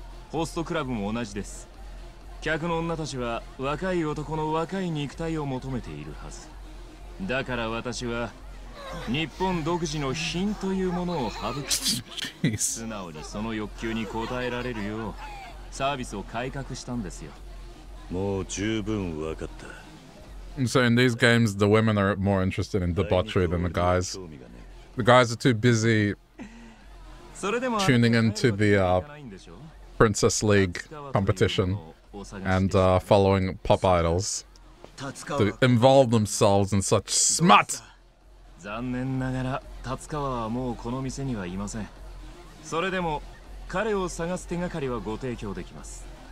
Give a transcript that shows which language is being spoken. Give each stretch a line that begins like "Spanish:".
Japanese: ホストクラブも同じです。客の女たちは若い男の若い肉体を求めているはず。だから私は日本独自の品というものを省き、素直にその欲求に応えられるようサービスを改革したんですよ。もう十分わかった。
English: So in these games, the women are more interested in debauchery than the guys. The guys are too busy tuning into the Princess League competition and following pop idols to involve themselves in such smut.
Japanese: 残念ながら、達川はもうこの店にはいません。それでも、彼を探す手がかりはご提供できます。